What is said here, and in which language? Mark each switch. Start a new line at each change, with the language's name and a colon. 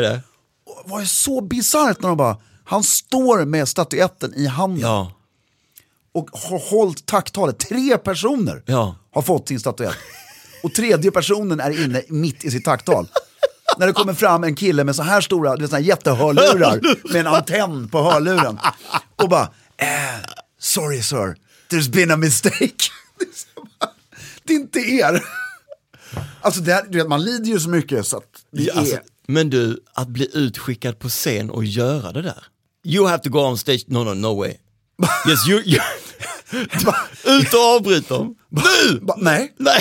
Swedish: det var ju så bizarrt när de bara, han står med statuetten i handen. Ja. Och har hållit tacktalet. Tre personer har fått sin statuett. Och tredje personen är inne mitt i sitt tacktal. När det kommer fram en kille med så här stora, det är så här jättehörlurar med en antenn på hörluren. Och bara,
English: sorry sir, there's been a mistake.
Swedish: Det är inte er. Alltså det här, du vet, man lider ju så mycket så att det är... alltså, men du, att bli utskickad på scen och göra det där.
English: You have to go on stage. No way. Yes, you...
Swedish: Ut och avbryt dem. Nu! Nej.